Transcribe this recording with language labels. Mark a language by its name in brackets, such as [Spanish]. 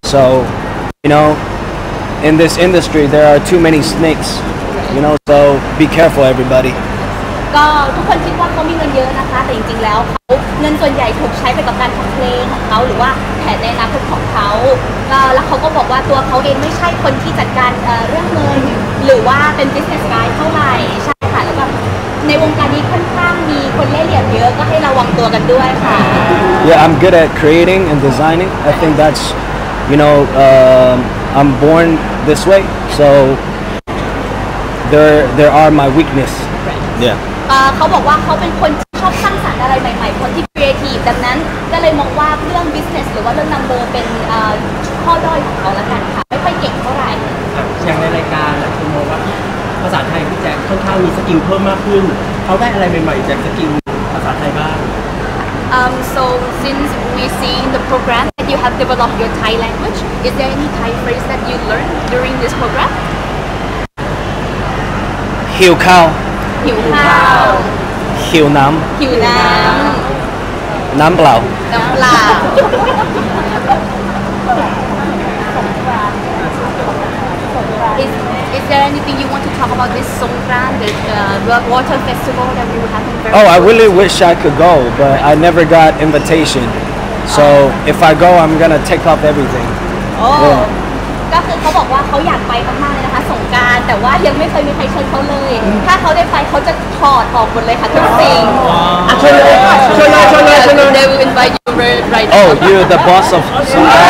[English] So, you know, in this industry, there are too many snakes. You know, so be careful, everybody. [Thai] ก็ทุกคนคิดว่าเขามีเงินเยอะนะคะแต่จริงๆแล้วเขาเงินส่วนใหญ่ถูกใช้ไปกับการทำเพลงของเขาหรือว่าแผนในอนาคตของเขาแล้วเขาก็บอกว่าตัวเขาเองไม่ใช่คนที่จัดการเรื่องเงินหรือว่าเป็น [English] business guy [Thai] เท่าไหร่ใช่ค่ะแล้วก็ในวงการนี้ค่อนข้างมีคนเล่ห์เหลี่ยมเยอะก็ให้ระวังตัวกันด้วยค่ะ [English] Yeah I'm good at creating and designing I think that's you know I'm born this way so there are my weakness right. Yeah [Thai] เขาบอกว่าเขาเป็นคนชอบสร้างสรรค์อะไรใหม่ๆคนที่ creative ดังนั้นก็เลยมองว่าเรื่อง business หรือว่าเรื่อง number เป็นข้อด้อยของเขาละกันค่ะไม่ค่อยเก่งเท่าไหร่อ ย่างในรายการนะคุณมองว่าภาษาไทยพี่แจ็คค่อนข้างมีสกิลเพิ่มมากขึ้นเขาได้อะไรใหม่ๆจากสกิลภาษาไทยบ้าง [English] So since we see in the program that you have developed your Thai language is there any Thai phrase that you learned during this program [Thai] หิวข้าว หิวข้าว หิวน้ำ หิวน้ำ น้ำเปล่า น้ำเปล่า [English] Is there anything you want to talk about this Songkran, the water festival that we will have in Paris? Oh, I really wish I could go, but I never got invitation. So if I go, I'm gonna take up everything. [Thai] Oh, ก็คือเขาบอกว่าเขาอยากไปมากๆเลยนะคะสงกรานต์แต่ว่ายังไม่เคยมีใครเชิญเขาเลยถ้าเขาได้ไปเขาจะถอดออกหมดเลยค่ะทุกสิ่ง เชิญเลย [English] They will invite you very, right now. Oh, you're the boss of some.